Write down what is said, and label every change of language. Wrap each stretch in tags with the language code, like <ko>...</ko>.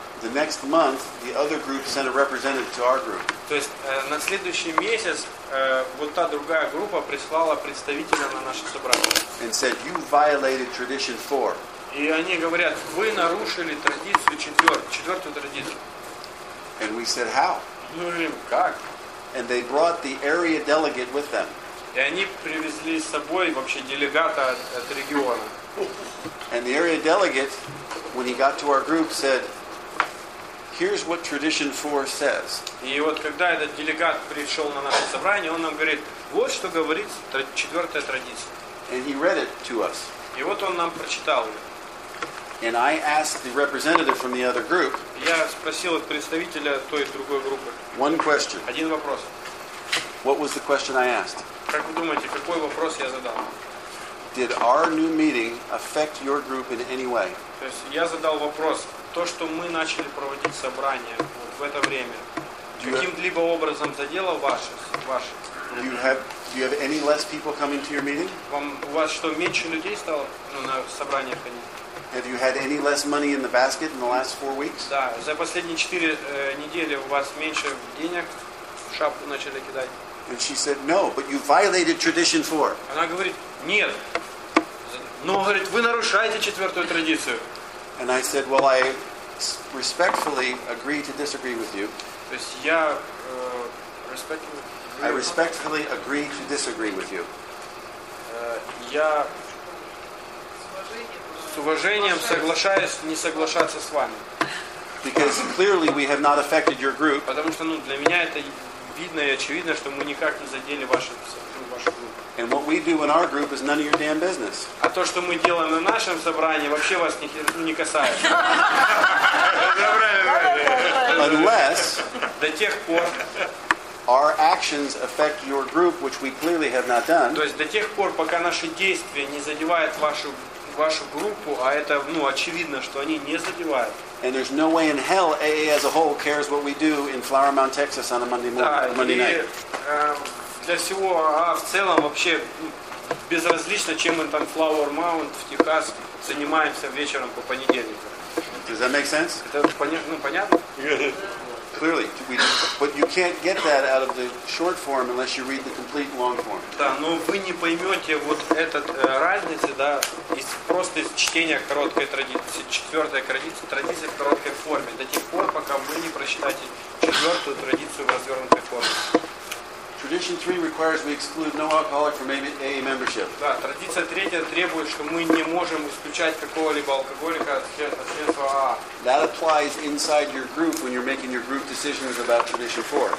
<en>The next month, the other group sent a representative to our group.</en> <ru>То есть на следующий месяц та другая группа прислала представителя на наше собрание.</ru> <en>And said, "You violated tradition 4."</en> <ru>И они говорят, вы нарушили традицию четвертую традицию.</ru> <en>And we said, "How?"</en> <ru>Мы говорим, как?</ru> <en>And they brought the area delegate with them.</en> <ru>И они привезли с собой вообще делегата от региона.</ru> <en>And the area delegate, when he got to our group, said, "Here's what tradition 4 says."</en> <ru>И когда этот делегат пришёл на наше собрание, он нам говорит: "Вот что говорит четвёртая традиция."</ru> <en>And he read it to us.</en> <ru>И он нам прочитал её.</ru> <en>And I asked the representative from the other group.</en> <ru>Я спросил от представителя той и другой группы.</ru> <en>One question.</en> <ru>Один вопрос.</ru> <en>What was the question I asked?</en> <ru>Как вы думаете, какой вопрос я задал?</ru> <en>Did our new meeting affect your group in any way?</en> <ru>То есть я задал вопрос: то, что мы начали проводить собрание в это время, каким-либо образом задело ваше?</ru> <en>Do you have any less people coming to your meeting?</en> <ru>У вас что, меньше людей стало на собрание ходить?</ru> <en>Have you had any less money in the basket in the last 4 weeks?</en> <ru>Да, за последние 4 недели у вас меньше денег в шапку начали кидать.</ru> <en>And she said, "No, but you violated tradition 4."</en> <ru>Она говорит: "Нет." Но говорит: "Вы нарушаете четвёртую традицию."</ru> <en>And I said, "Well, I respectfully agree to disagree with you."</en> <ru>То есть я respectfully.</ru> <en>I respectfully agree to disagree with you.</en> <ru>Я с уважением соглашаюсь не соглашаться с вами.</ru> <en>Because clearly we have not affected your group.</en> <ru>Потому что для меня это видно и очевидно, что мы никак не задели вашу группу.</ru> <en>And what we do in our group is none of your damn business.</en> <ru>А то, что мы делаем на нашем собрании, вообще вас не касается.</ru> <en>Unless</en> <ru>до тех пор</ru> <en>our actions affect your group, which we clearly have not done.</en> <ru>То есть до тех пор, пока наши действия не задевают вашу группу, а это очевидно, что они не задевают.</ru> <en>And there's no way in hell AA as a whole cares what we do in Flower Mound, Texas on a Monday night.</en> <ru>Для всего АА в целом вообще безразлично, чем мы там Flower Mound в Техас занимаемся вечером по понедельникам.</ru> <en>Does that make sense?</en> <ru>Это понятно?</ru> <en>Clearly. But you can't get that out of the short form unless you read the complete long form.</en> <ru>Да, но вы не поймете вот этот разницы, да, просто из чтения короткой традиции, четвертой традиции в короткой форме, до тех пор, пока вы не прочитаете четвертую традицию в развернутой форме.</ru> <en>Tradition 3 requires we exclude no alcoholic from AA membership.</en> <ru>Да, традиция третья требует, что мы не можем исключать какого-либо алкоголика от членства АА.</ru> <en>That applies inside your group when you're making your group decisions about tradition 4.</en>